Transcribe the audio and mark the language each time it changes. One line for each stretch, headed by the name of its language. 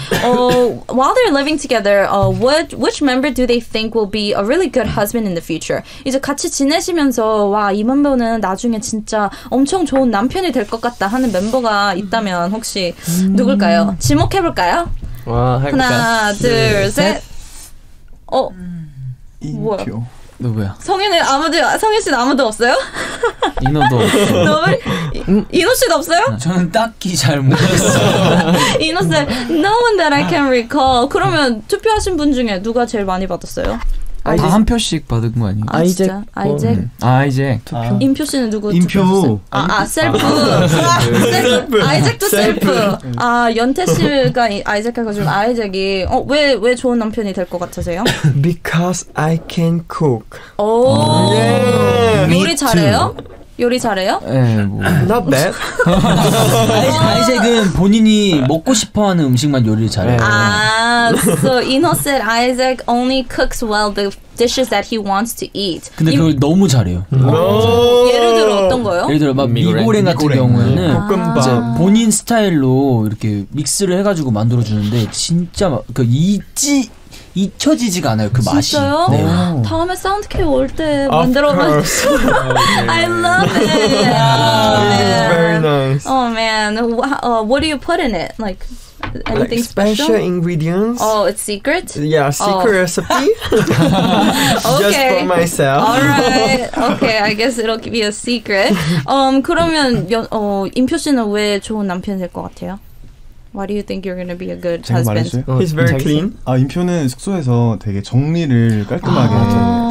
English: while they're living together, which member do they think will be a really good husband in the future?
Korean: 이제 같이 지내시면서 와, 이 멤버는 나중에 진짜 엄청 좋은 남편이 될 것 같다 하는 멤버가 있다면 혹시 누굴까요? 지목해 볼까요? 와, 하나, 둘, 셋. 어. 인표. 누구야? 성현은 아무도 성현 씨는 아무도 없어요? 인호도 없어. 너 인호 씨도 없어요? 저는 딱히 잘 모르겠어요.
English: 인호 씨 no one that I can recall.
Korean: 그러면 투표하신 분 중에 누가 제일 많이 받았어요? 아이젯. 다 한 표씩 받은 거 아니에요? 아이젯. 아이젯. 아이젯. 투표. 인표 씨는 누구 인표. 셀프. 셀프. 아이젯도 셀프. 아, 연태 씨가 아이젯하고 좀 아이젯이 왜 좋은 남편이 될 것 같으세요?
English: Because I can cook.
Korean: 오. 예. 요리 잘해요? 요리 잘해요? 예. 나 배. 아이젯은 본인이 먹고 싶어하는 음식만 요리를 잘해요.
English: 아, so Inho said Isaac only cooks well the dishes that he wants to eat.
Korean: 근데 그걸 너무 잘해요. 예를 들어 어떤 거요? 예를 들어 막 미고랭 같은 경우에는 볶음밥 본인 스타일로 이렇게 믹스를 해가지고 만들어 주는데 진짜 그 이지. 잊혀지지가 않아요, 그 진짜요? 맛이. 진짜요? 네. 다음에 사운드캐 올 때 만들어봐요.
English: I love it. Very nice. Oh man, what do you put in it? Like anything like special? Special ingredients. Oh, it's secret? Yeah, secret recipe. okay. Just for myself. Alright. Okay, I guess it'll be a secret.
Korean: 그러면 임표 씨는 왜 좋은 남편 될 것 같아요?
English: Why do you think you're gonna be a good husband? He's very clean.
Korean: 아, 임표는 숙소에서 되게 정리를 깔끔하게 하죠.